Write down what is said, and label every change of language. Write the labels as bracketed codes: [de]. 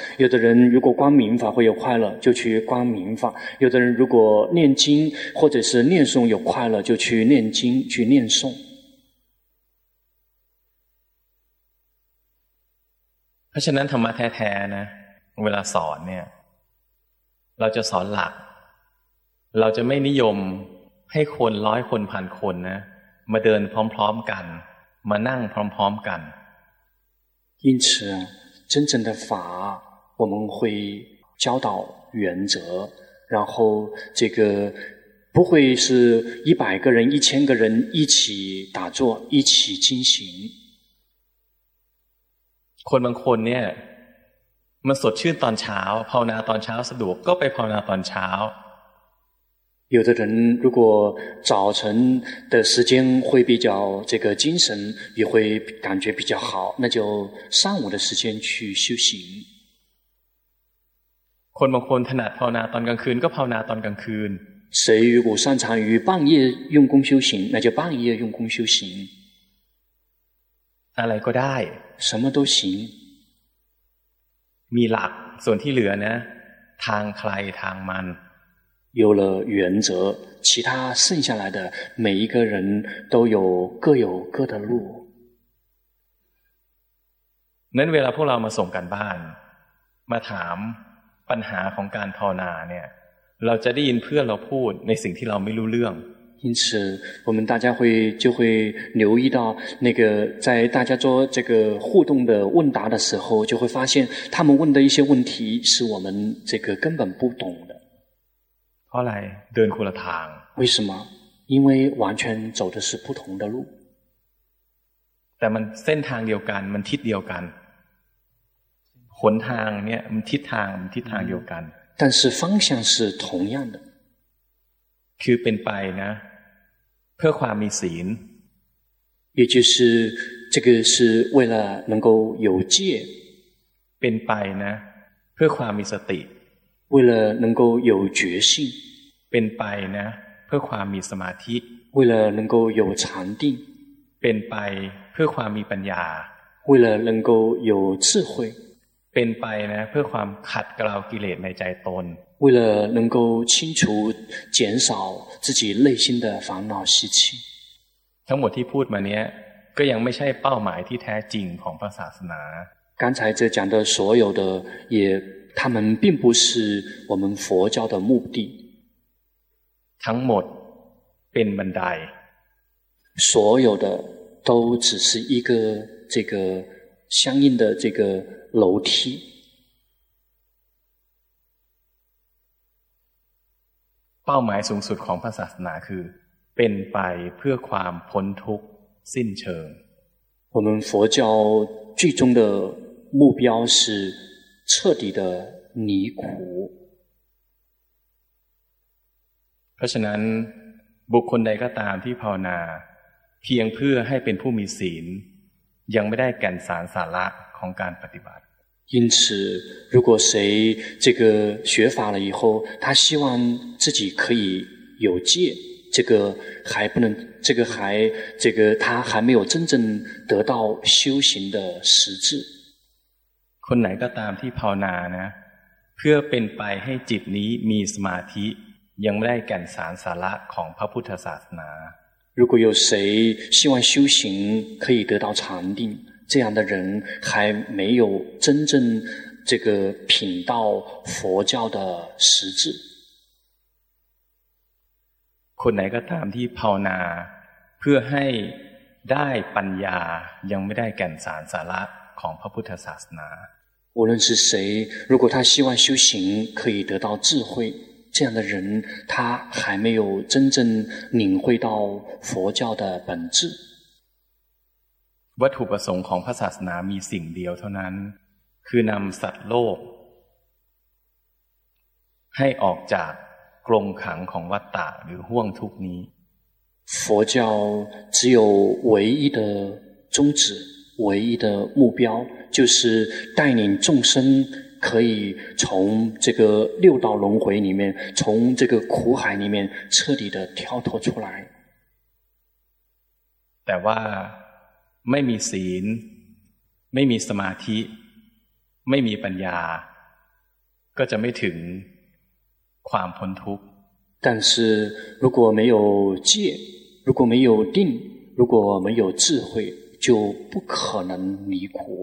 [zh] 有的人如果观明法会有快乐，就去观明法。有的人如果念经或者是念诵有快乐，就去念经，去念诵。 [th] เพราะฉะนั้นธรรมะแท้ๆนะเวลาสอนเนี่ยเราจะสอนหลักเราจะไม่นิยมให้คนร้อยคนพันคนนะมาเดินพร้อมๆกันมานั่งพร้อมๆกัน [zh] 因此真正的法我们会教导原则然后这个不会是一百个人一千个人一起打坐一起进行 [th] คนบางคนเนี่ยมันสดชื่นตอนเช้าภาวนาตอนเช้าสะดวกก็ไปภาวนาตอนเช้า [zh] 有的人如果早晨的时间会比较这个精神也会感觉比较好那就上午的时间去修行 [th] คนบางคนถนัดภาวนาตอนกลางคืนก็ภาวนาตอนกลางคืน [zh] 谁如果擅长于半夜用功修行那就半夜用功修行 [th] อะไรก็ได้ [zh] 什么都行 [th] มีหลักส่วนที่เหลือนะทางใครทางมัน [zh] 有了原则其他剩下来的每一个人都有各有各的路 [th] นั้นเวลาพวกเรามาส่งกันบ้านมาถามปัญหาของการภาวนาเนี่ยเราจะได้ยินเพื่อนเราพูดในสิ่งที่เราไม่รู้เรื่อง [zh] 因此我们大家会就会留意到那个在大家做这个互动的问答的时候就会发现他们问的一些问题是我们这个根本不懂的 [th] เพราะอะไรเดินคนละทาง [zh] 为什么因为完全走的是不同的路 [th] แต่มันเส้นทางเดียวกันมันทิศเดียวกันหนทางเนี่ยมันทิศทางมันทิศทางเดียวกัน [zh] 但是方向是同样的 [th] คือเป็นไปนะเพื่อความมีศีล [zh] 也就是这个是为了能够有戒 [th] เป็นไปนะเพื่อความมีสติ [zh] 为了能够有觉性 [th] เป็นไปนะเพื่อความมีสมาธิ [zh] 为了能够有禅定 [th] เป็นไปเพื่อความมีปัญญา [zh] 为了能够有智慧 [th] เป็นไปนะเพื่อความขัดเกลากิเลสในใจตน [zh] 为了能够清除减少自己内心的烦恼习气 [th] ทั้งหมดที่พูดมาเนี้ยก็ยังไม่ใช่เป้าหมายที่แท้จริงของพระศาสนา [zh] 刚才这讲的所有的也他们并不是我们佛教的目的 [th] ทั้งหมดเป็นบันได [zh] 所有的都只是一个这个相应的这个楼梯 [th] เป้าหมายสูงสุดของพระศาสนาคือเป็นไปเพื่อความพ้นทุกข์สิ้นเชิง [zh] 我们佛教最终的目标是彻底的离苦 [th] เพราะฉะนั้นบุคคลใดก็ตามที่ภาวนาเพียงเพื่อให้เป็นผู้มีศีลยังไม่ได้แก่นสารสาระของการปฏิบัติ [zh] 因此如果谁这个学法了以后他希望自己可以有戒这个还不能这个还这个他还没有真正得到修行的实质 [th] คนไหนก็ตามที่ภาวนานะเพื่อเป็นไปให้จิตนี้มีสมาธิยังไม่ได้แก่นสารสาระของพระพุทธศาสนา [zh] 如果有谁希望修行可以得到禅定这样的人还没有真正这个品到佛教的实质 [th] คนไหนก็ตามที่ภาวนาเพื่อให้ได้ปัญญายังไม่ได้แก่นสารสาระของพระพุทธศาสนา [zh] 无论是谁如果他希望修行可以得到智慧这样的人他还没有真正领会到佛教的本质 [th] วัตถุประสงค์ของพระศาสนามีสิ่งเดียวเท่านั้นคือนำสัตว์โลกให้ออกจากกรงขังของวัฏฏะหรือห้วงทุกนี้ [zh] 佛教只有唯一的宗旨唯一的目标，就是带领众生可以从这个六道轮回里面，从这个苦海里面彻底的跳脱出来。 [th] แต่ว่าไม่มีศีลไม่มีสมาธิไม่มีปัญญาก็จะไม่ถึงความพ้นทุกข์ [zh] 但是如果没有戒如果没有定如果没有智慧就不可能离苦